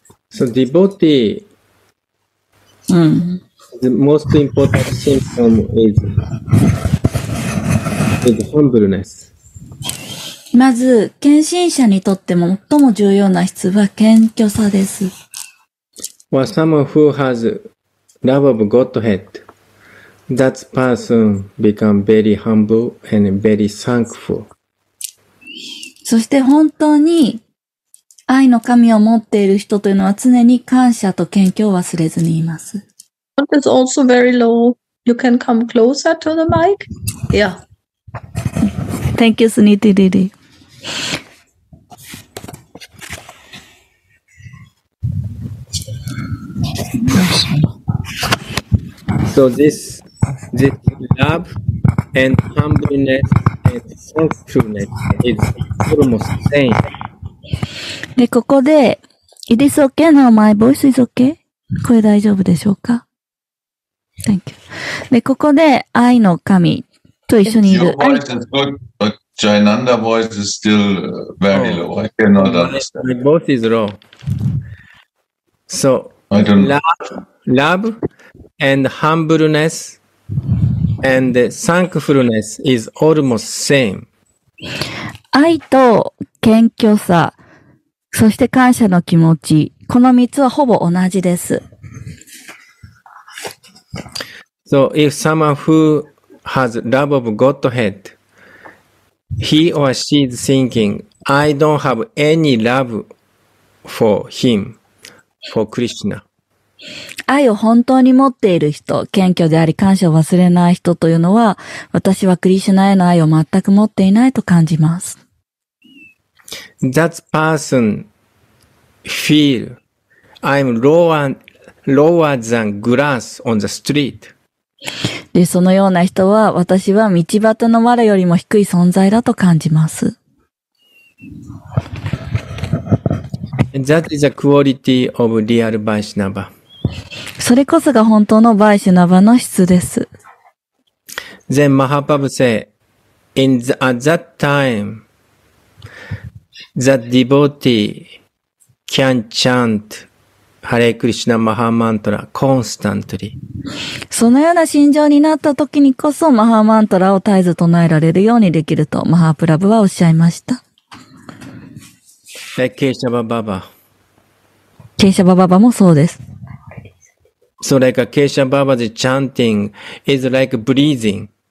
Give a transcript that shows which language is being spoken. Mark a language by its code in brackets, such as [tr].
[en] So devotee, the most important symptom is humbleness. [ja] まず、献身者にとって最も重要な質は謙虚さです。 [en] Well, someone who has love of Godhead, that person become very humble and very thankful. [ja] そして本当に愛の神を持っている人というのは常に感謝と謙虚を忘れずにいます。 [en] That is also very low. You can come closer to the mic? Yeah. Thank you, Suniti Didi. So this love and humbleness and thankfulness is almost the same. [ja] で、ここで、 [en] It is okay now, my voice is okay? [ja] 声大丈夫でしょうか? [en] Thank you. [ja] で、ここで、愛の神と一緒にいる。 [en] Your voice is good, but Jayananda voice is still very low. I cannot understand. My voice is low. So, I don't know. Love and humbleness and thankfulness is almost same. [ja] 愛と謙虚さ、そして感謝の気持ち、この三つはほぼ同じです。 [en] So if someone who has love of Godhead, he or she is thinking, I don't have any love for him, for Krishna. [ja] 愛を本当に持っている人、謙虚であり感謝を忘れない人というのは、私はクリシュナへの愛を全く持っていないと感じます。 [en] That person feel I'm lower than grass on the street. [ja] で、そのような人は、私は道端の我よりも低い存在だと感じます。 [en] That is a quality of real Vaishnava. [ja] それこそが本当のバイシュナバの質です。 [en] Then Mahaprabhu say, in the, at that time, the devotee can chant Hare Krishna Mahamantra constantly. [ja] そのような心情になった時にこそ、マハマントラを絶えず唱えられるようにできると、マハプラブはおっしゃいました。ケシャバババ。ケシャバババもそうです。 [en] So like a Kesha Baba's chanting is like breathing.